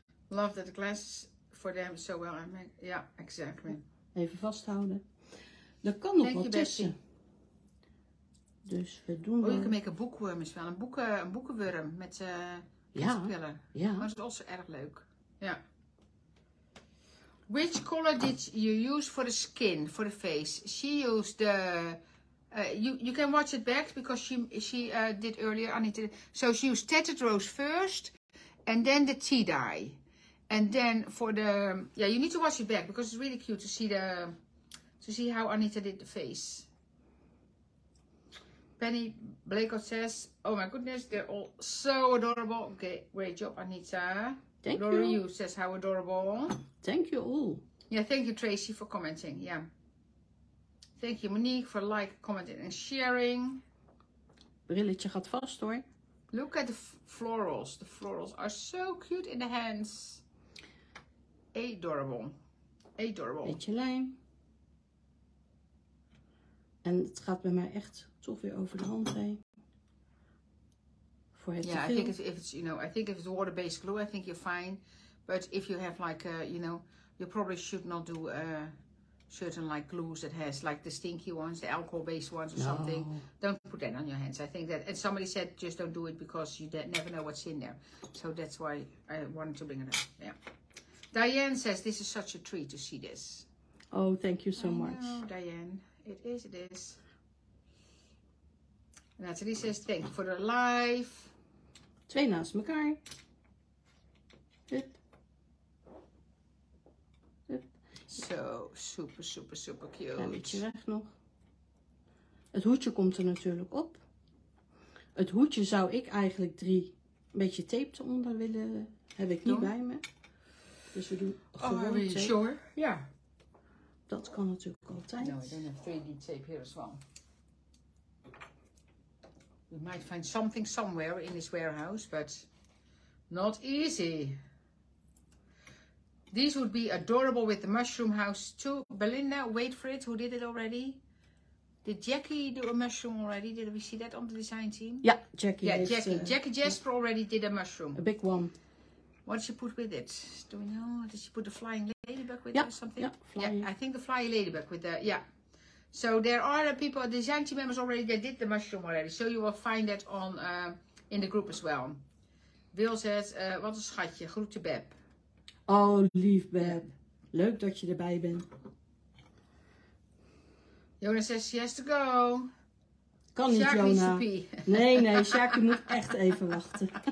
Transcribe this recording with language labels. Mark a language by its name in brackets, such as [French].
[English] Love that the glasses for them so well. I mean, yeah, exactly. [Dutch] Even vasthouden. Er kan nog wat tussen. Dus we doen. [English] Oh, you can make a bookworm as well. [Dutch] Een boekenworm met kerstpillen. Ja. Maar dat is ook erg leuk. Ja. [English] Which color did you use for the skin, for the face? She used the... you can watch it back because she did earlier. Anita. So she used tattered rose first and then the tea dye. And then for the... Yeah, you need to watch it back because it's really cute to see how Anita did the face. Penny Blakot says, oh my goodness, they're all so adorable. Okay, great job, Anita. Thank Laura you. Laura says, how adorable. Thank you all. Yeah, thank you, Tracy, for commenting. Yeah. Thank you, Monique, for like, commenting and sharing. [Dutch] Brilletje gaat vast, hoor. [English] Look at the florals. The florals are so cute in the hands. Adorable. Adorable. [Dutch] Beetje lijm. En het gaat bij mij echt toch weer over de hand heen. [English] Yeah, I think if it's, you know, I think if it's water-based glue, I think you're fine. But if you have like, you know, you probably should not do certain like glues that has like the stinky ones, the alcohol-based ones or something. Don't put that on your hands. I think that, and somebody said just don't do it because you never know what's in there. So that's why I wanted to bring it up. Yeah. Diane says this is such a treat to see this. Oh, thank you so much. Diane. It is. Natalie says, thank you for the life. [Dutch] Twee naast elkaar. Hup. Hup. Zo, super, super, super cute. Een beetje weg nog. Het hoedje komt er natuurlijk op. Het hoedje zou ik eigenlijk drie, een beetje tape eronder willen. Heb ik niet bij me. Dus we doen gewoon tape. [English] Oh, are you sure? [Dutch] Ja. Dat kan natuurlijk altijd. [English] No, I don't have 3D tape here as well. We might find something somewhere in this warehouse, but not easy. These would be adorable with the mushroom house too. Belinda, wait for it. Who did it already? Did Jackie do a mushroom already? Did we see that on the design team? Yeah, Jackie. Yeah, Jackie Jasper already did a mushroom. A big one. What did she put with it? Do we know? Did she put the flying ladybug with it or something? Yeah, I think the flying ladybug with the, yeah. So there are people, design team members already, they did the mushroom already. So you will find that on in the group as well. [Dutch] Will [English] says, [Dutch] wat een schatje, groetje Beb. Oh, lief Beb. Leuk dat je erbij bent. [English] Jonas says, she has to go. [Dutch] Kan niet, Jonas. Nee, Sjaki moet echt even wachten.